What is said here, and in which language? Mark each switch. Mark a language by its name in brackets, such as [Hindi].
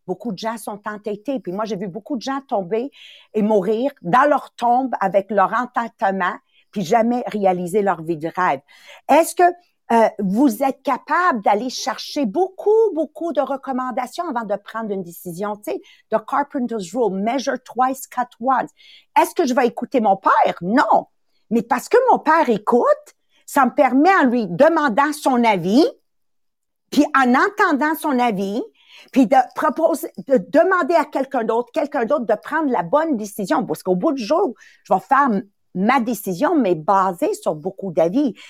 [French] Beaucoup de gens sont entêtés. Puis moi, j'ai vu beaucoup de gens tomber et mourir dans leur tombe avec leur entêtement, puis jamais réaliser leur vie de rêve. Est-ce que vous êtes capable d'aller chercher beaucoup, beaucoup de recommandations avant de prendre une décision. Tu sais, [English] the carpenter's rule, measure twice, cut once. [French] Est-ce que je vais écouter mon père? Non. Mais parce que mon père écoute, ça me permet, en lui demandant son avis, puis en entendant son avis, puis de proposer, de demander à quelqu'un d'autre de prendre la bonne décision. Parce qu'au bout du jour, je vais faire ma décision, mais basée sur beaucoup d'avis.